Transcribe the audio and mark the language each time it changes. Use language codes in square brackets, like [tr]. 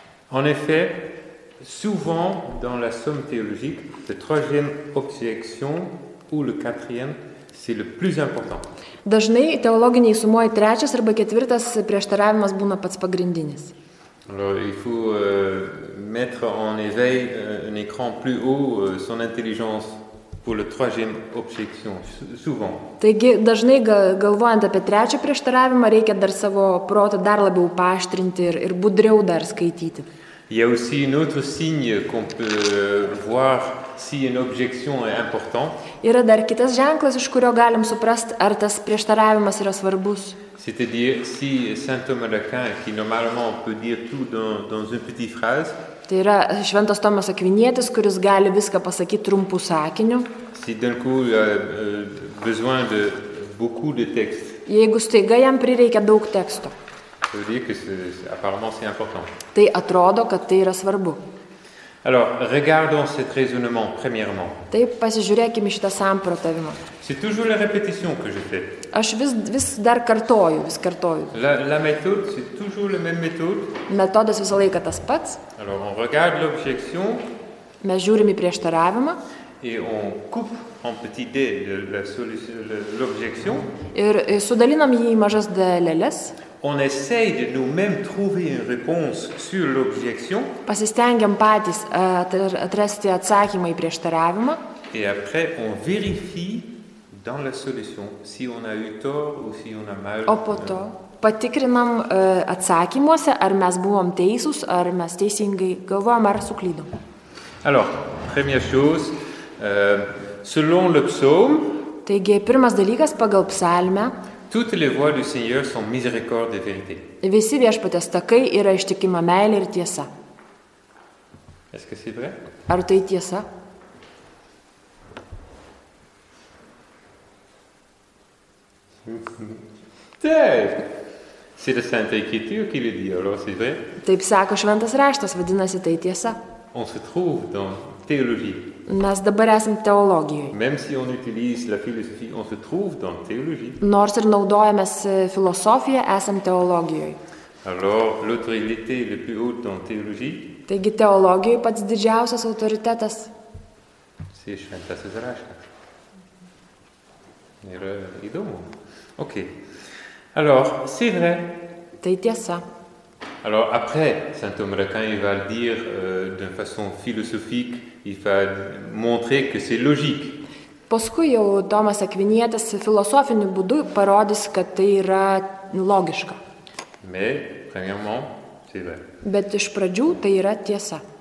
[fr] En effet, souvent dans la somme théologique, la troisième objection ou la quatrième, c'est le plus important. [lt] Dažnai teologiniai sumoje trečias arba ketvirtas prieštaravimas būna pats pagrindinis. [fr] Alors, il faut mettre en éveil un écran plus haut son intelligence pour la troisième objection, souvent. [lt] Taigi, dažnai galvojant apie trečią prieštaravimą, reikia dar savo protą dar labiau paaštrinti ir budriau dar skaityti. [fr] Il y a aussi un autre signe qu'on peut voir si une objection est importante. [lt] Yra dar kitas ženklas, iš kurio galim suprasti, ar tas prieštaravimas yra svarbus. [fr] C'est-à-dire si saint Thomas d'Aquin, qui normalement on peut dire tout dans une petite phrase. [lt] Tai yra šventas Tomas Akvinietis, kuris gali viską pasakyti trumpu sakiniu. [fr] Si d'un coup il a besoin de beaucoup de textes. [lt] Jeigu staiga jam prireikia daug teksto. [fr] Ça veut dire que apparemment c'est important. [lt] Tai atrodo, kad tai yra svarbu. [fr] Alors, regardons cet raisonnement premièrement. [lt] Taip, pasižiūrėkime šitą samprotavimą. [fr] C'est toujours la répétition que je fais. [lt] Aš vis dar kartoju, vis kartoju. [fr] La méthode, c'est toujours la même méthode. [lt] Metodas visą laiką tas pats. [fr] Alors, on regarde l'objection. [lt] Mes žiūrime prieštaravimą. [fr] Et on coupe en petits dés l'objection. [lt] Ir sudalinam jį į mažas dalelės. [fr] On essaye de nous-mêmes trouver une réponse sur l'objection. [lt] Pasistengiam patys atrasti atsakymą į prieštaravimą. [fr] Et après, on vérifie dans la solution si on a eu tort ou si on a mal. [lt] O po to patikrinam atsakymuose, ar mes buvom teisūs, ar mes teisingai galvojom, ar suklydom. [fr] Alors, première chose, selon le psaume. [lt] Taigi, pirmas dalykas pagal psalmę. [fr] Toutes les voies du Seigneur sont miséricorde et vérité. [lt] Visi viešpaties takai yra ištikima meilė ir tiesa. [fr] Est-ce que c'est vrai? [lt] Ar tai tiesa? Si Taip. Sirisantai kiti, o kili dialogas įvai. Taip sako šventas raštas, vadinasi tai tiesa. [fr] On se trouve dans théologie. [lt] Mes dabar esam teologijoje. [fr] Même si on utilise la philosophie, on se trouve dans théologie. [lt] Nors ir naudojamės filosofiją, esam teologijoje. [fr] Alors, l'autorité le plus haut dans théologie. [lt] Taigi teologijoje pats didžiausias autoritetas. C'est šventasis raštas. Yra įdomu. Ok. [fr] Alors, c'est vrai. [lt] Tai tiesa. [fr] Alors après, saint Thomas d'Aquin il va le dire d'une façon philosophique, il va montrer que c'est logique. [lt] Paskui jau Tomas Akvinietis filosofiniu būdu parodys, kad tai yra logiška. [fr] Mais premièrement, c'est vrai. [lt] Bet iš pradžių tai yra tiesa.